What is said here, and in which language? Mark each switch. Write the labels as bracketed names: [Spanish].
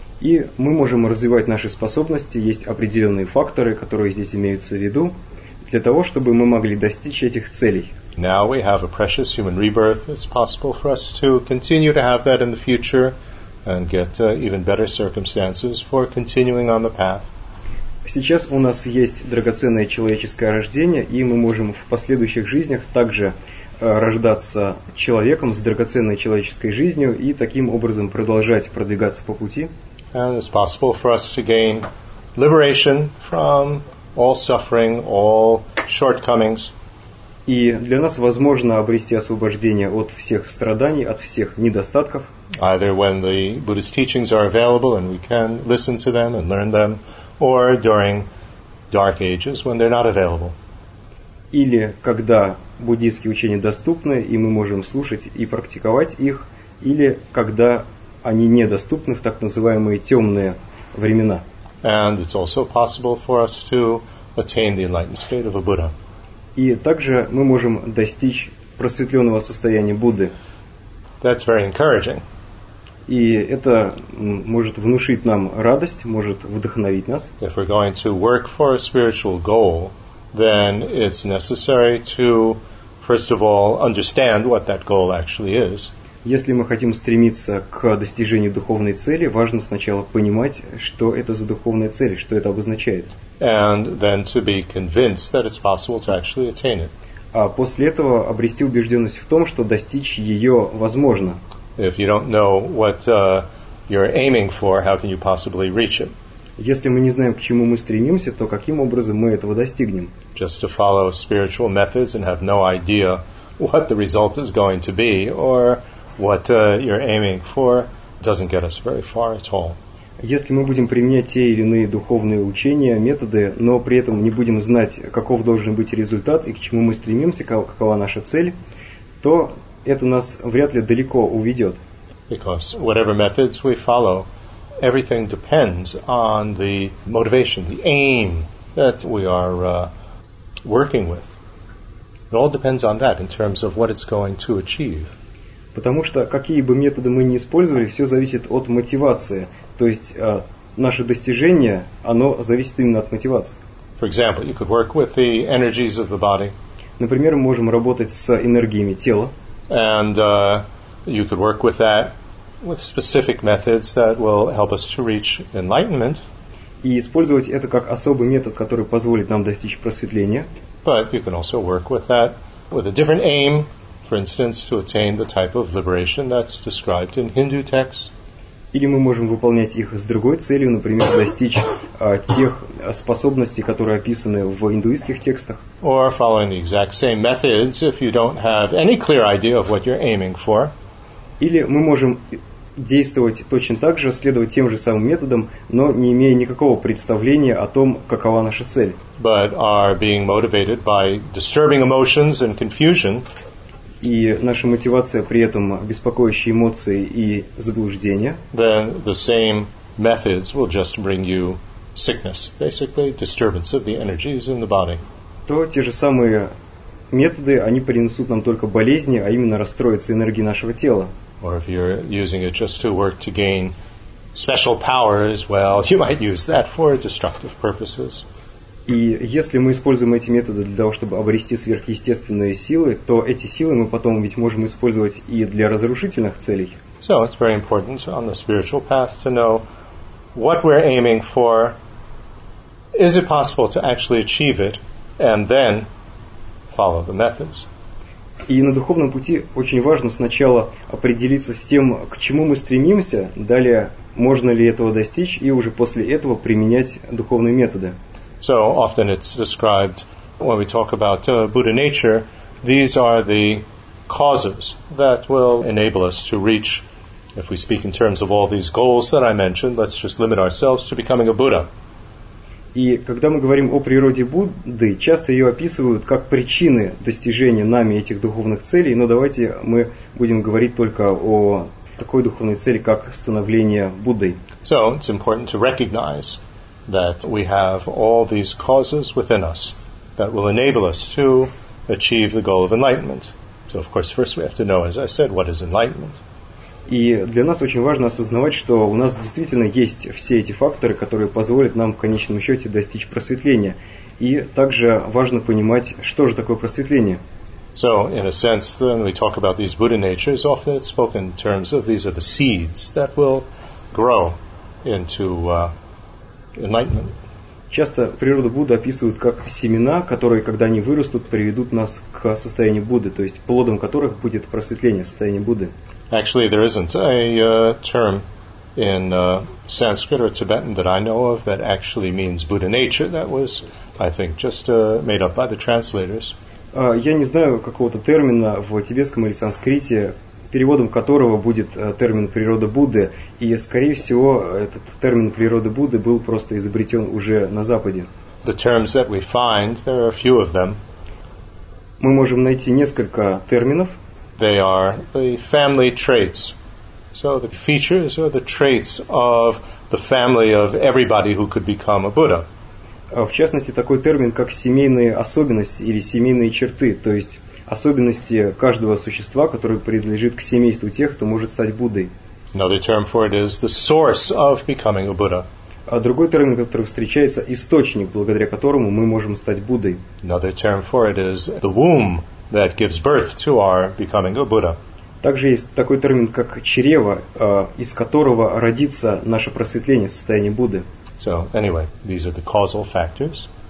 [Russian] И мы можем развивать наши способности, есть определенные факторы, которые здесь имеются в виду, для того, чтобы мы могли достичь этих целей. [English] Now we have a precious human rebirth. It's possible for us to continue to have that in the future and get even better circumstances for continuing on the path. [Russian] Сейчас у нас есть драгоценное человеческое рождение, и мы можем в последующих жизнях также рождаться человеком с драгоценной человеческой жизнью и таким образом продолжать продвигаться по пути. [English] And it's possible for us to gain liberation from all suffering, all shortcomings. [Russian] И для нас возможно обрести освобождение от всех страданий, от всех недостатков. [English] Either when the Buddhist teachings are available and we can listen to them and learn them, or during dark ages when they're not available. [Russian] Или когда буддийские учения доступны, и мы можем слушать и практиковать их, или когда они недоступны в так называемые темные времена. [English] And it's also possible for us to attain the enlightened state of a Buddha. [Russian] И также мы можем достичь просветленного состояния Будды. [English] That's very encouraging. [Russian] И это может внушить нам радость, может вдохновить нас. [English] If we're going to work for a spiritual goal, then it's necessary to, first of all, understand what that goal actually is. [Russian] Если мы хотим стремиться к достижению духовной цели, важно сначала понимать, что это за духовная цель, что это обозначает. [English] And then to be convinced that it's possible to actually attain it. [Russian] А после этого обрести убежденность в том, что достичь ее возможно. [English] If you don't know what you're aiming for, how can you possibly reach it? [Russian] Если мы не знаем, к чему мы стремимся, то каким образом мы этого достигнем? [English] Just to follow spiritual methods and have no idea what the result is going to be, or what you're aiming for, doesn't get us very far at all. [Russian] Если мы будем применять те или иные духовные учения, методы, но при этом не будем знать, каков должен быть результат и к чему мы стремимся, какова наша цель, то это нас вряд ли далеко уведет. [English] Because whatever methods we follow, everything depends on the motivation, the aim that we are working with. It all depends on that in terms of what it's going to achieve. [Russian] Потому что какие бы методы мы ни использовали, все зависит от мотивации. То есть наше достижение, оно зависит именно от мотивации. [English] For example, you could work with the energies of the body. [Russian] Например, мы можем работать с энергиями тела. [English] And you could work with that with specific methods that will help us to reach enlightenment. [Russian] И использовать это как особый метод, который позволит нам достичь просветления. [English] But you can also work with that with a different aim, for instance, to attain the type of liberation that's described in Hindu texts. [Russian] Или мы можем выполнять их с другой целью, например, достичь тех способностей, которые описаны в индуистских текстах. [English] Or following the exact same methods if you don't have any clear idea of what you're aiming for. [Russian] Или мы можем действовать точно так же, следовать тем же самым методам, но не имея никакого представления о том, какова наша цель. [English] But are being motivated by disturbing emotions and confusion. [Russian] И наша мотивация при этом беспокоящие эмоции и заблуждения. [English] Then the same methods will just bring you sickness, basically disturbance of the energies in the body. [Russian] То те же самые методы, они принесут нам только болезни, а именно расстройство энергии нашего тела. [English] Or if you're using it just to work to gain special powers, well, you might use that for destructive purposes. [Russian] И если мы используем эти методы для того, чтобы обрести сверхъестественные силы, то эти силы мы потом ведь можем использовать и для разрушительных целей. [English] So it's very important on the spiritual path to know what we're aiming for, is it possible to actually achieve it, and then follow the methods. [Russian] И на духовном пути очень важно сначала определиться с тем, к чему мы стремимся, далее можно ли этого достичь, и уже после этого применять духовные методы. [English] So often it's described when we talk about Buddha nature, these are the causes that will enable us to reach, if we speak in terms of all these goals that I mentioned, let's just limit ourselves to becoming a Buddha. [Russian] И когда мы говорим о природе Будды, часто ее описывают как причины достижения нами этих духовных целей, но давайте мы будем говорить только о такой духовной цели, как становление Буддой. [English] So it's important to recognize that we have all these causes within us that will enable us to achieve the goal of enlightenment. So, of course, first we have to know, as I said, what is enlightenment? [Russian] И для нас очень важно осознавать, что у нас действительно есть все эти факторы, которые позволят нам в конечном счете достичь просветления. И также важно понимать, что же такое просветление. [English] So, in a sense, when we talk about these Buddha natures, often it's spoken in terms of these are the seeds that will grow into enlightenment. [Russian] Часто природу Будды описывают как семена, которые, когда они вырастут, приведут нас к состоянию Будды, то есть плодом которых будет просветление, состояние Будды. [English] Actually, there isn't a term in Sanskrit or Tibetan that I know of that actually means Buddha nature. That was, I think, just made up by the translators. [Russian] Я не знаю какого-то термина в тибетском или санскрите, переводом которого будет термин «природа Будды», и, скорее всего, этот термин «природа Будды» был просто изобретен уже на Западе. [English] The terms that we find, there are a few of them. [Russian] Мы можем найти несколько терминов. [English] They are the family traits. So the features are the traits of the family of everybody who could become a Buddha. [Russian] В частности, такой термин, как семейные особенности или семейные черты, то есть особенности каждого существа, которое принадлежит к семейству тех, кто может стать Буддой. [English] Another term for it is the source of becoming a Buddha. [Russian] А другой термин, который встречается, источник, благодаря которому мы можем стать Буддой. [English] Another term for it is the womb that gives birth to our becoming a Buddha. [Russian] Также есть такой термин, как чрево, из которого родится наше просветление, состояние Будды. [English] So, anyway, these are the causal factors.